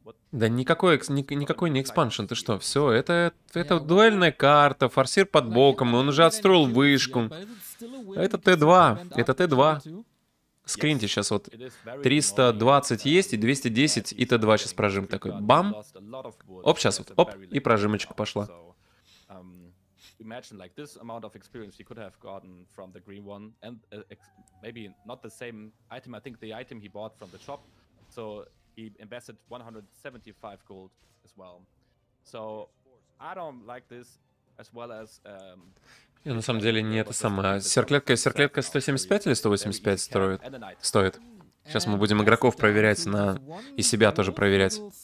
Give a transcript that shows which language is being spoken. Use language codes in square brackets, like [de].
[ru] Да никакой, никакой не экспаншн, ты что? Все, это дуэльная карта, форсир под боком, он уже отстроил вышку. Это Т2, это Т2. Скриньте сейчас вот 320 есть и 210, и Т2 сейчас прожим такой. Бам! Оп, сейчас вот, оп, и прожимочка пошла. [en] Imagine like this amount of experience he could have gotten from the green one and maybe not the same item. I think the item he bought from the shop, so he invested 175 gold as well. So I don't like this as well as [ru] Я на самом деле не это самое. Серклетка 175 или 185 стоит. Сейчас мы будем игроков проверять на и себя тоже проверять.